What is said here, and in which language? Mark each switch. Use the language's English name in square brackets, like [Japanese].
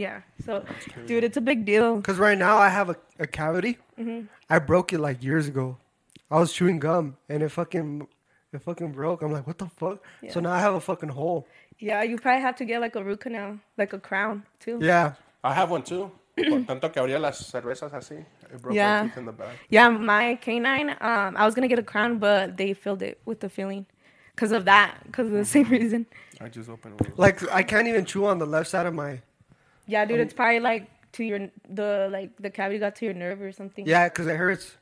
[English] Yeah. So, dude, it's a big deal. Because right now I have a cavity. Mm-hmm. I broke it like years ago. I was chewing gum and it fucking broke. I'm like, what the fuck? Yeah. So now I have a fucking hole. Yeah, you probably have to get like a root canal, like a crown too. Yeah. I have one too. [Spanish] Tanto que abría las cervezas así. [English] It broke my teeth in the back. Yeah, my canine, I was going to get a crown, but they filled it with the filling. Because of that, because of the same reason. I just opened it. Like, I can't even chew on the left side of my... Yeah, dude, it's probably, like, to your... The cavity got to your nerve or something. Yeah, because it hurts.